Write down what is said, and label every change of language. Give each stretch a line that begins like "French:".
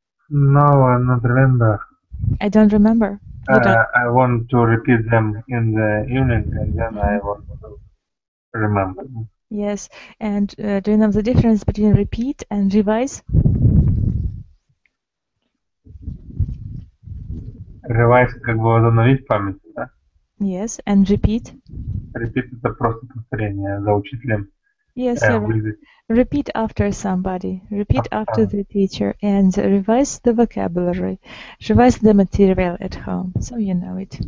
English: No, I don't remember. I don't remember. I want to repeat them in the evening, and then I want to remember. Yes, and do you know the difference between repeat and revise?
Russian: Revise, как бы возобновить память, да?
English: Yes, and repeat.
Russian: Repeat это просто повторение за учителем.
English: Yes, repeat after somebody, repeat after the teacher, and revise the vocabulary, revise the material at home, so you know it.